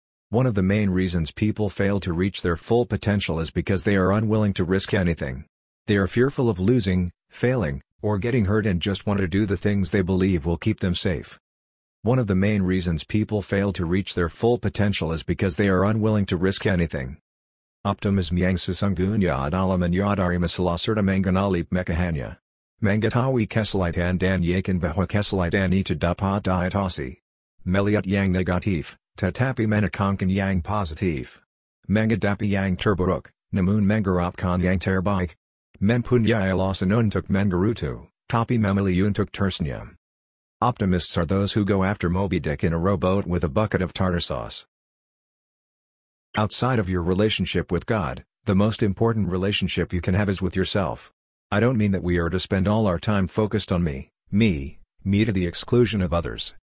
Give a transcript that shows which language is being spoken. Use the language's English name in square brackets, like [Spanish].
[English] One of the main reasons people fail to reach their full potential is because they are unwilling to risk anything. They are fearful of losing, failing, or getting hurt and just want to do the things they believe will keep them safe. One of the main reasons people fail to reach their full potential is because they are unwilling to risk anything. [Indonesian] Optimism yang sesungguhnya adalah menyadari masalah serta mengenali mekanismenya. Mengetahui kesulitan dan yakin bahwa kesulitan itu dapat diatasi. Melihat yang negatif, tetapi menekankan yang positif. Mengadapi yang terburuk, namun mengharapkan yang terbaik. Mempunyai alasan untuk menggerutu, tapi memilih untuk tersenyum. [English] Optimists are those who go after Moby Dick in a rowboat with a bucket of tartar sauce. Outside of your relationship with God, the most important relationship you can have is with yourself. I don't mean that we are to spend all our time focused on me to the exclusion of others.